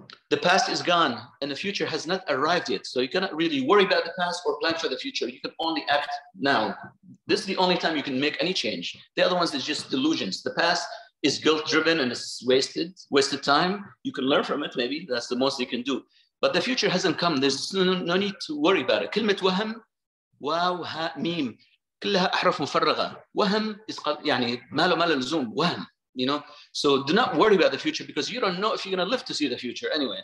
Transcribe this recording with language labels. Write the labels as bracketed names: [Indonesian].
[English] The past is gone and the future has not arrived yet. So you cannot really worry about the past or plan for the future. You can only act now. This is the only time you can make any change. The other ones is just delusions. The past is guilt-driven and it's wasted time. You can learn from it, maybe. That's the most you can do. But the future hasn't come. There's no need to worry about it. [Arabic] كلمة وهم واو ها ميم كلها أحرف مفرغة وهم is يعني ما له لزوم وهم. [English] You know, so do not worry about the future because you don't know if you're going to live to see the future anyway.